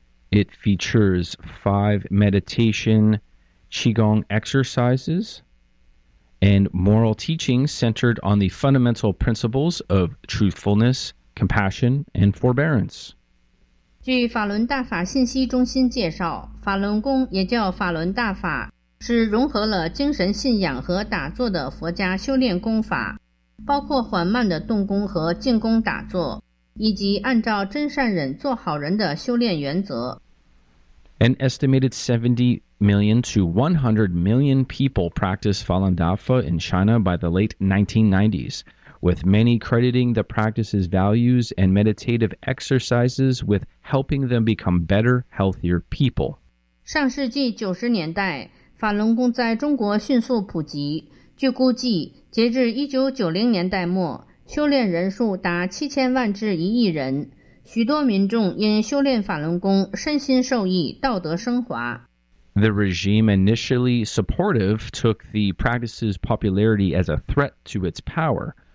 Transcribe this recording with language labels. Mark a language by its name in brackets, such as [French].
[English] It features five meditation qigong exercises and moral teachings centered on the fundamental principles of truthfulness, compassion, and forbearance. [Chinese] 据法轮大法信息中心介绍，法轮功也叫法轮大法，是融合了精神信仰和打坐的佛家修炼功法，包括缓慢的动功和静功打坐，以及按照真善忍做好人的修炼原则。 [English] An estimated 70 million to 100 million people practiced Falun Dafa in China by the late 1990s. With many crediting the practice's values and meditative exercises with helping them become better, healthier people. [Chinese] 上世纪九十年代，法轮功在中国迅速普及。据估计，截至1990年代末，修炼人数达7000万至1亿人。许多民众因修炼法轮功，身心受益，道德升华。 [English] The regime, initially supportive, took the practice's popularity as a threat to its power.